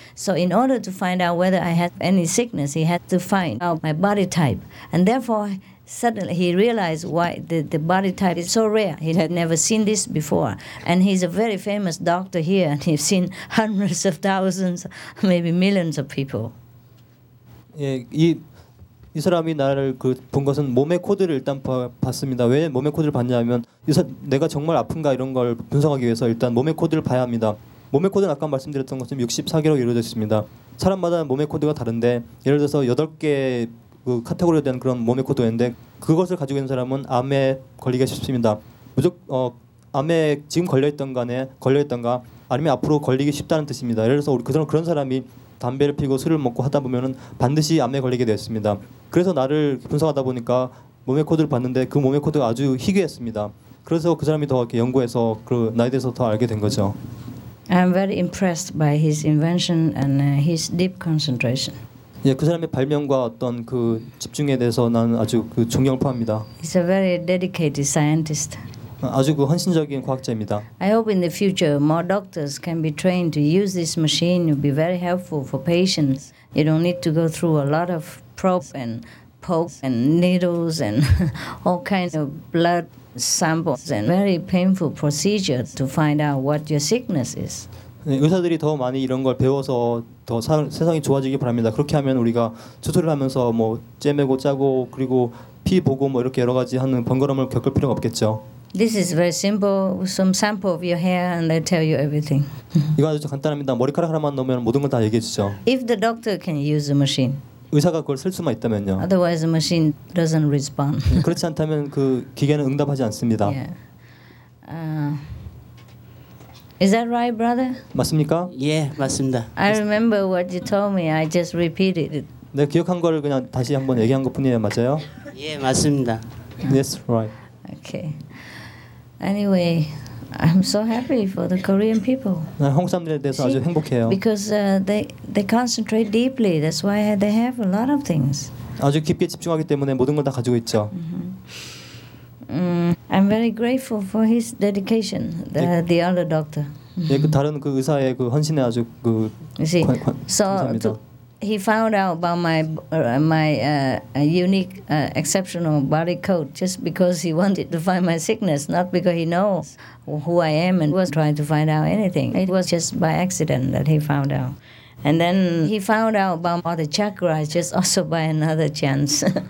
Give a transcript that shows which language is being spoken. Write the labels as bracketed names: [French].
[English] So in order to find out whether I had any sickness, he had to find out my body type. And therefore, suddenly he realized why the body type is so rare. He had never seen this before. And he's a very famous doctor here, and he's seen hundreds of thousands, maybe millions of people. [Korean] Yeah, 이 사람이 나를 그 본 것은 몸의 코드를 일단 봤습니다. 왜 몸의 코드를 봤냐면 내가 정말 아픈가 이런 걸 분석하기 위해서 일단 몸의 코드를 봐야 합니다. 몸의 코드는 아까 말씀드렸던 것처럼 64개로 이루어져 있습니다. 사람마다 몸의 코드가 다른데 예를 들어서 8개 그 카테고리에 대한 그런 몸의 코드인데 그것을 가지고 있는 사람은 암에 걸리기가 쉽습니다. 암에 지금 걸려있던가 아니면 앞으로 걸리기 쉽다는 뜻입니다. 예를 들어서 그런 사람이 담배를 피고 술을 먹고 하다 보면은 반드시 암에 걸리게 되었습니다. 그래서 나를 분석하다 보니까 몸의 코드를 봤는데 그 몸의 코드가 아주 희귀했습니다. 그래서 그 사람이 더 이렇게 연구해서 그 나에 대해서 더 알게 된 거죠. [English] I'm very impressed by his invention and his deep concentration. [Korean] 예, 그 사람의 발명과 어떤 그 집중에 대해서 나는 아주 그 존경을 표합니다. [English] He's a very dedicated scientist. [Korean] 아주 그 헌신적인 과학자입니다. [English] I hope in the future more doctors can be trained to use this machine. It would be very helpful for patients. You don't need to go through a lot of probe and poke and needles and all kinds of blood samples and very painful procedure to find out what your sickness is. [Korean] 의사들이 더 많이 이런 걸 배워서 더 세상이 좋아지기 바랍니다. 그렇게 하면 우리가 수술을 하면서 뭐 째매고 짜고 그리고 피 보고 뭐 이렇게 여러 가지 하는 번거로움을 겪을 필요가 없겠죠. [English] This is very simple. Some sample of your hair, and they tell you everything. [Korean] 이거 아주 간단합니다. 머리카락 하나만 넣으면 모든 걸 다 얘기해 주죠. [English] If the doctor can use the machine, [Korean] 의사가 그걸 쓸 수만 있다면요. [English] Otherwise, the machine doesn't respond. [Korean] 그렇지 않다면 그 기계는 응답하지 않습니다. [English] Is that right, brother? [Korean] 맞습니까? 예, 맞습니다. [English] I remember what you told me. I just repeated it. [Korean] 내가 기억한 걸 그냥 다시 한번 얘기한 것뿐이에요, 맞아요? 예, 맞습니다. [English] Yes, right. Okay. Anyway, I'm so happy for the Korean people. [Korean] 난 한국 사람들에 대해서 아주 행복해요. [English] Because they concentrate deeply. That's why they have a lot of things. [Korean] 아주 깊게 집중하기 때문에 모든 걸 다 가지고 있죠. [English] I'm very grateful for his dedication. The other doctor. [Korean] 예, 그 다른 그 의사의 그 헌신에 아주 그 감사합니다. [English] He found out about my unique exceptional body code just because he wanted to find my sickness, not because he knows who I am and was trying to find out anything. It was just by accident that he found out. And then he found out about all the chakras just also by another chance.